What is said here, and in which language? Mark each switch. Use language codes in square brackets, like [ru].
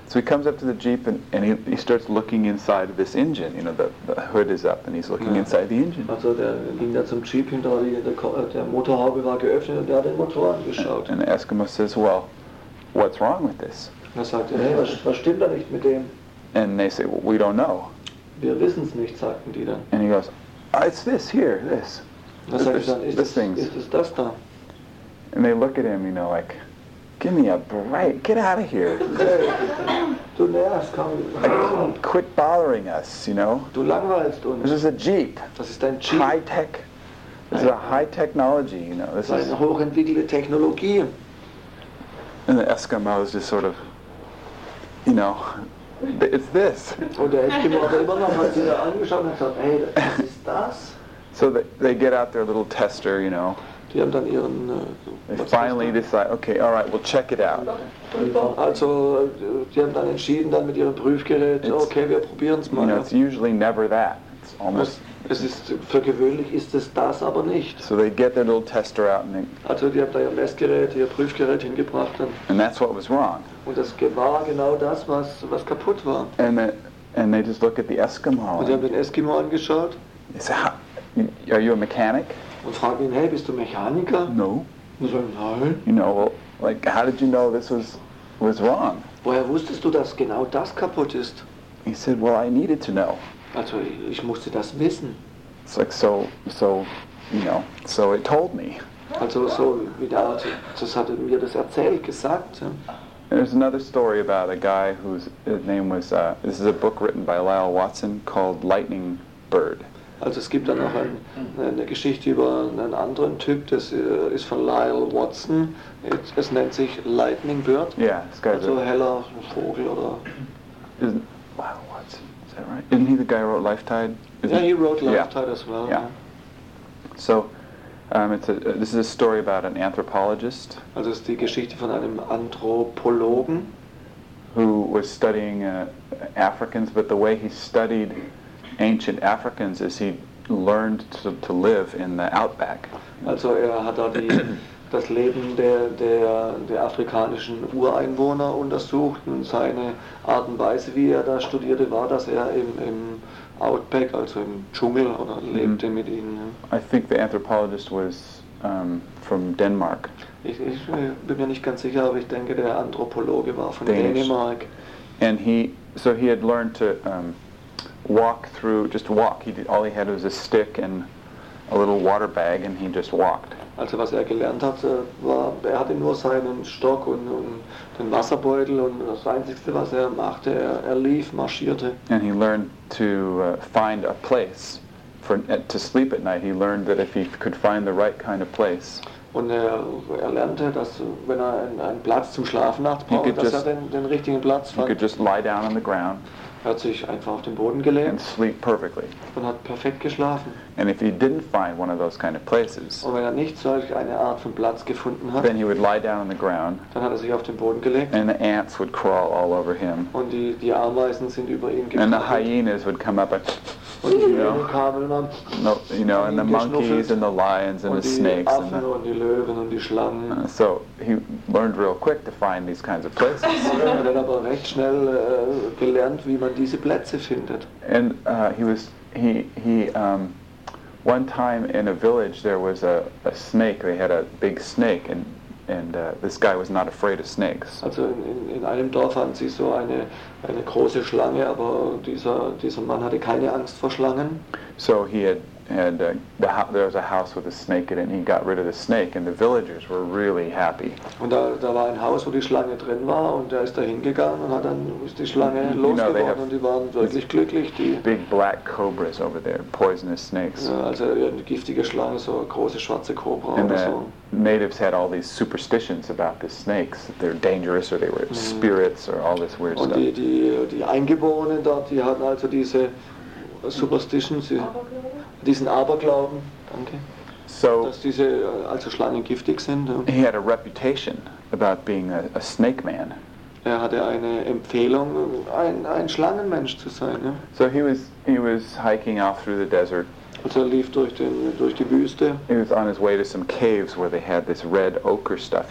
[en] So he comes up to the Jeep and he starts looking inside this engine. You know, the hood is up and he's looking inside the engine. [de] Also der ging da zum Jeep hinter, der Motorhaube war geöffnet und der hat den Motor angeschaut. [en] And the Eskimo says, well, what's wrong with this? [de] Er sagt, hey, was stimmt da nicht mit dem? [en] And they say, well, we don't know. [de] Wir wissen es nicht, sagten die dann. [en] And he goes, oh, it's this here, this. [de] Was sagt er dann, ist es das da? [en] And they look at him, you know, like, give me a break. Get out of here. [de] Du nervst, komm. [en] Quit bothering us, you know. [de] Du langweilst uns. [en] This is a Jeep. [de] Das ist ein Jeep. [en] High tech. This is a high technology, you know. This [de] is hochentwickelte Technologie. [en] And the Eskimo is just sort of, you know, it's this. [de] Und der Eskimo hat immer noch mal wieder angeschaut und gesagt, hey, das ist das. [en] So they get out their little tester, you know. [de] Die haben dann ihren, [en] they finally decide, okay, all right, we'll check it out. [de] Also, die haben dann entschieden, dann mit ihrem Prüfgerät, okay, wir probieren es mal. [en] You know, it's usually never that. It's almost. [de] Es ist, für gewöhnlich ist es das aber nicht. [en] So they get their little tester out and [de] also, die haben da ihr Messgerät, ihr Prüfgerät hingebracht. [en] And that's what was wrong. [de] Und das war genau das, was kaputt war. [en] And they just look at the Eskimo. [de] Und die haben den Eskimo angeschaut. [en] Is that, are you a mechanic? [de] Und fragen ihn, hey, bist du Mechaniker? [en] No. [de] Und sagen, nein. [en] You know, well, Like, how did you know this was wrong? [de] Woher wusstest du, dass genau das kaputt ist? [en] He said, well, I needed to know. [de] Also, ich musste das wissen. [en] It's like, so it told me. [de] Also, so, wie der Arzt, das hat er mir das erzählt, gesagt. [en] There's another story about a guy whose name was, this is a book written by Lyle Watson called Lightning Bird. [de] Also es gibt dann noch eine Geschichte über einen anderen Typ, das ist von Lyle Watson, es nennt sich Lightning Bird, [en] yeah, this guy's [de] also heller Vogel oder... [en] Lyle Watson, is that right? Isn't he the guy who wrote Lifetide? Yeah, he wrote Lifetide as well. Yeah. So, this is a story about an anthropologist. [de] Also es ist die Geschichte von einem Anthropologen. [en] Who was studying Africans, but the way he studied ancient Africans as he learned to live in the outback. [de] Also hat da das Leben der afrikanischen Ureinwohner untersucht und seine Art und Weise, wie da studierte, war, dass im Outback, also im Dschungel, oder lebte mit ihnen. [en] I think the anthropologist was from Denmark. [de] Ich bin mir nicht ganz sicher, aber ich denke, der Anthropologe war von Dänemark. [en] And he had learned to walk through, just walk. All he had was a stick and a little water bag, and he just walked. [de] Also, was gelernt hatte, war, hatte nur seinen Stock und den Wasserbeutel, und das Einzige, was machte, lief, marschierte. [en] And he learned to find a place to sleep at night. He learned that if he could find the right kind of place. [de] Und lernte, dass wenn einen Platz zum Schlafen nachts braucht, dass den richtigen Platz fand. [en] He could just lie down on the ground. [de] Hat sich einfach auf den Boden gelegt [en] and sleep perfectly. [de] Und hat perfekt geschlafen. [en] And if he didn't find one of those kind of places, [de] und wenn nicht solch eine Art von Platz gefunden hat, [en] then he would lie down on the ground, [de] dann hat sich auf den Boden gelegt, [en] and the ants would crawl all over him, [de] und die Ameisen sind über ihn gekrabbelt, [en] and the hyenas would come up and, [de] und die Hyänen kamen [en] und, and the monkeys and the lions and the snakes, [de] und die Affen und die Löwen und die Schlangen. [en] So he learned real quick to find these kinds of places. [de] Und hat aber recht schnell gelernt, wie man diese Plätze findet. [en] And he one time in a village there was a snake. They had a big snake, and this guy was not afraid of snakes. [de] Also in einem Dorf hatten sie so eine große Schlange, aber dieser Mann hatte keine Angst vor Schlangen. [en] So he there was a house with a snake in it, and he got rid of the snake, and the villagers were really happy. [de] Und da war ein Haus, wo die Schlange drin war, und er ist da hingegangen und hat dann ist die Schlange losgeworden, und die waren wirklich glücklich. Die [en] big black cobras over there, poisonous snakes. [de] Also eine giftige Schlange, so eine große schwarze Kobra oder so. [en] And the natives had all these superstitions about the snakes, that they're dangerous or they were spirits or all this weird stuff. [de] Und die Eingeborenen dort, die hatten also diese Superstitions. Diesen Aberglauben, danke. [en] So, [de] dass diese also Schlangen giftig sind. [en] He had a reputation about being a snake man. [de] Er hatte eine Empfehlung, ein Schlangenmensch zu sein. Ja. [en] So he was hiking out through the desert. [de] Also er lief durch die Wüste. [en] He was on his way to some caves where they had this red ochre stuff.